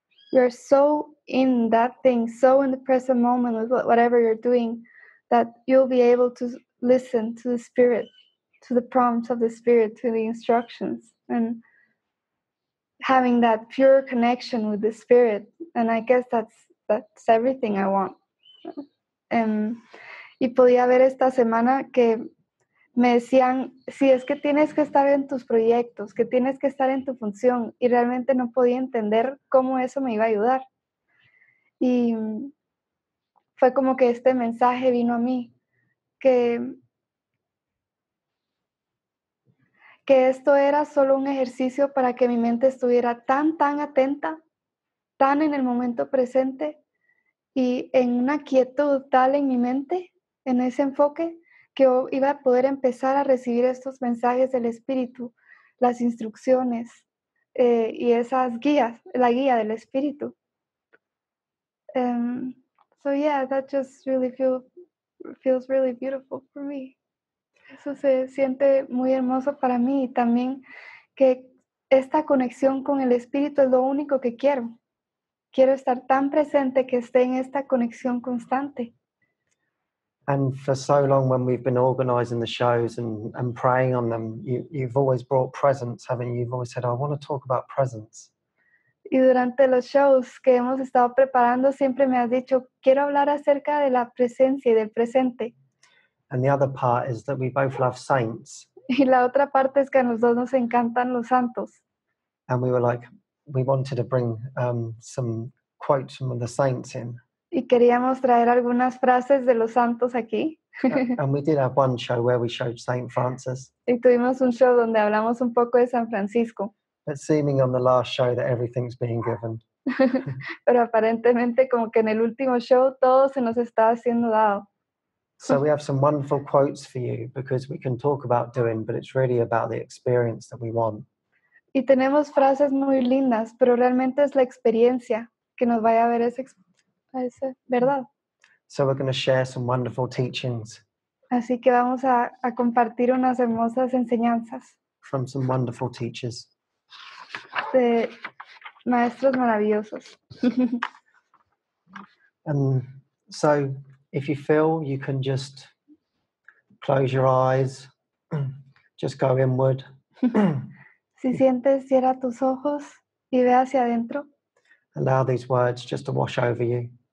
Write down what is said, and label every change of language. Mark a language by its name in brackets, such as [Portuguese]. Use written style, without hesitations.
[English] You're so in that thing, so in the present moment with whatever you're doing, that you'll be able to listen to the spirit, to the prompts of the spirit, to the instructions, and having that pure connection with the spirit. And I guess that's everything I want. [Spanish] Y podía ver esta semana que me decían, sí, es que tienes que estar en tus proyectos, que tienes que estar en tu función. Y realmente no podía entender cómo eso me iba a ayudar. Y fue como que este mensaje vino a mí, que esto era solo un ejercicio para que mi mente estuviera tan, tan atenta, tan en el momento presente y en una quietud tal en mi mente, en ese enfoque, que iba a poder empezar a recibir estos mensajes del Espíritu, las instrucciones y esas guías, la guía del Espíritu. [English] That just really feels really beautiful for me. [Spanish] Eso se siente muy hermoso para mí y también que esta conexión con el Espíritu es lo único que quiero. Quiero estar tan presente que esté en esta conexión constante. [English] And for so long when we've been organizing the shows and praying on them, you've always brought presence, haven't you? You've always said, I want to talk about presence. [Spanish] Y durante los shows que hemos estado preparando, siempre me has dicho, quiero hablar acerca de la presencia y del presente. [English] And the other part is that we both love saints. [Spanish] Y la otra parte es que a los dos nos encantan los santos. [English] And we were like, we wanted to bring some quotes from the saints in. [Spanish] Y queríamos traer algunas frases de los santos aquí. [English] And we did have one show where we showed Saint Francis. [Spanish] Y tuvimos un show donde hablamos un poco de San Francisco. [English] But seeming on the last show that everything's being given. [Spanish] Pero aparentemente como que en el último show todo se nos está siendo dado. [English] So we have some wonderful quotes for you because we can talk about doing, but it's really about the experience that we want. [Spanish] Y tenemos frases muy lindas, pero realmente es la experiencia que nos vaya a ver esa experiencia. [English] So we're going to share some wonderful teachings. [Spanish] Así que vamos a compartir unas hermosas enseñanzas. [English] From some wonderful teachers. [Spanish] De maestros maravillosos. [English] And so if you feel, you can just close your eyes, just go inward. [Spanish] Si sientes, cierra tus ojos y ve hacia adentro. [English] Allow these words just to wash over you.